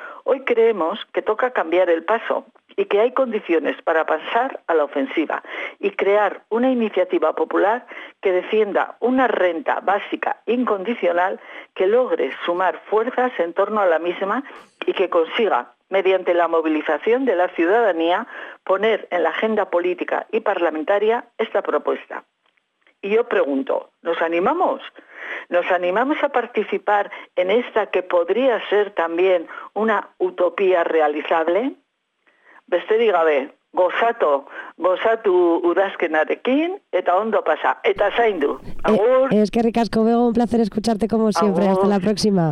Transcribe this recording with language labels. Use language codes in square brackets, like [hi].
[es] Hoy creemos que toca cambiar el paso y que hay condiciones para pasar a la ofensiva y crear una iniciativa popular que defienda una renta básica incondicional, que logre sumar fuerzas en torno a la misma y que consiga, mediante la movilización de la ciudadanía, poner en la agenda política y parlamentaria esta propuesta. Y yo pregunto, ¿nos animamos? ¿Nos animamos a participar en esta que podría ser también una utopía realizable? [eu] Besterik gabe, gozatu udazkenarekin, eta ondo pasa, eta zaindu. Agur. Eskerrik asko, [es] Bego, un placer escucharte como siempre. Agur. Hasta la próxima.